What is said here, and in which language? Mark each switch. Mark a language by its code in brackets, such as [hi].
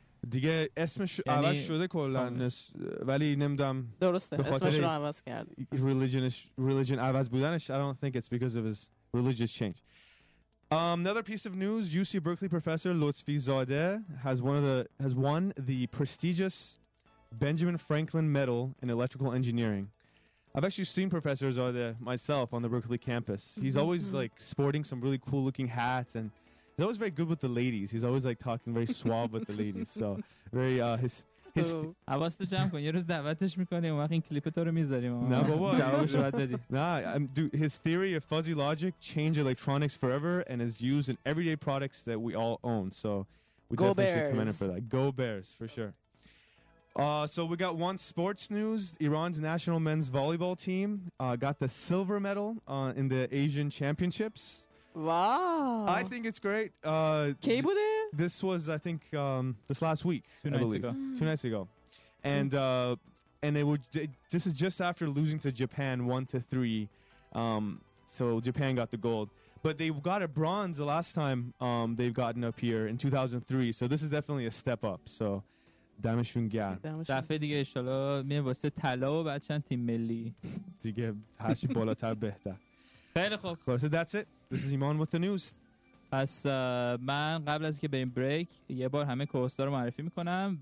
[fa] دیگه اسمش عوض شده کلا ولی نمیدونم درسته اسمش رو عوض کرد religion عوض بودنش. [en] I don't think it's because of his religious change. Another piece of news, UC Berkeley professor Lotfi Zadeh has won the prestigious Benjamin Franklin Medal in Electrical Engineering. I've actually seen Professor Zadeh myself on the Berkeley campus. He's always like sporting some really cool looking hats, and he's always very good with the ladies. He's always like talking very suave with the ladies. So very his. [fa] عوض تو جمع کن. یه روز دعوتش میکنیم. وقتی کلیپ تو رو میذاریم. نه بابا. جوابش رو دادی. [en] Nah, dude, his theory of fuzzy logic changed electronics forever and is used in everyday products that we all own. So we Go Bears. Should commend him for that. Go Bears for sure. So we got one sports news. Iran's national men's volleyball team got the silver medal in the Asian Championships. Wow. I think it's great. This was, I think, this last week. Two nights ago. And it would. This is just after losing to Japan 1-3. So Japan got the gold. But they got a bronze the last time they've gotten up here in 2003. So this is definitely a step up. So, [fa] دمشون گرم. دفعه دیگه ایشالا میه واسه طلا و بچند تیم ملی. دیگه هرچی بالاتر بهتر. خیلی خوب. [en] خب. So that's it. This is Iman with the news. [fa] پس من قبل از که بریم بریک یه بار همه کوستا رو معرفی میکنم.